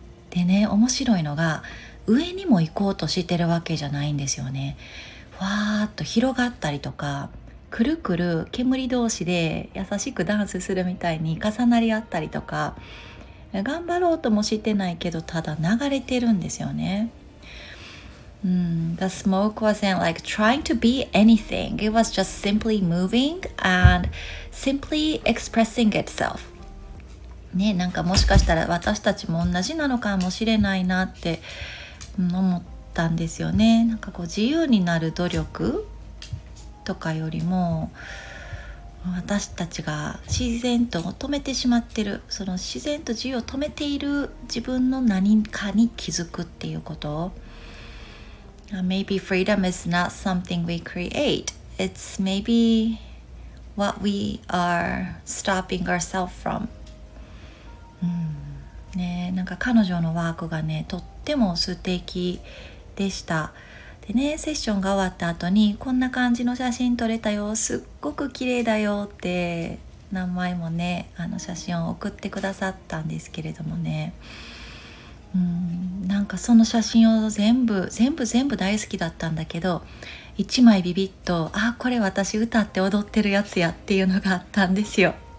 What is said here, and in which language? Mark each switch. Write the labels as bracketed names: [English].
[Japanese] でね、面白いのが上にも行こうとしてるわけじゃないんですよね。ふわーっと広がったりとか、くるくる煙同士で優しくダンスするみたいに重なり合ったりとか、頑張ろうともしてないけど、ただ流れてるんですよね。 [English] The smoke wasn't like trying to be anything. It was just simply moving and simply expressing itself. [Japanese] ね、なんかもしかしたら私たちも同じなのかもしれないなって思ったんですよね。なんかこう自由になる努力とかよりも、私たちが自然と止めてしまってる、その自然と自由を止めている自分の何かに気づくっていうこと。 [English] Maybe freedom is not something we create. It's maybe what we are stopping ourselves from. [Japanese] ね、なんか彼女のワークがねとっても素敵でした。でね、セッションが終わった後にこんな感じの写真撮れたよ、すっごく綺麗だよって何枚もね、あの写真を送ってくださったんですけれどもね、なんかその写真を全部大好きだったんだけど、一枚ビビッと、あ、これ私歌って踊ってるやつやっていうのがあったんですよ。